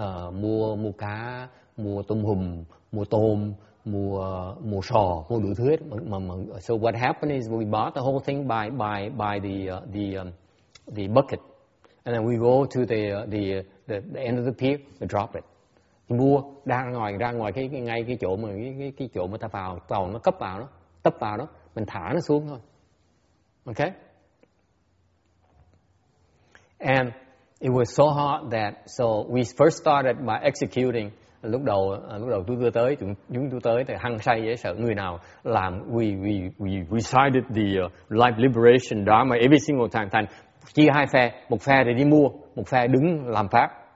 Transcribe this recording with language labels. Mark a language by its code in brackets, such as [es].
[vi] Mua cá, mua tôm hùm, mua tôm, mua sò, mua đủ thứ hết. [en] So what happened is we bought the whole thing by the bucket, and then we go to the end of the pier, we drop it. [vi] vua đang ngồi ra ngoài cái ngay cái chỗ mà cái chỗ mà ta vào tàu nó cấp vào đó, tấp vào đó, mình thả nó xuống thôi. [en] Ok. And it was so hot that so we first started by executing. [vi] Lúc đầu tôi đưa tới, chúng tôi tới thì hăng say dễ sợ, người nào làm [en] we recited the life liberation dharma every single time. [vi] Thành chia hai phe, một phe thì đi mua, một phe đứng làm pháp.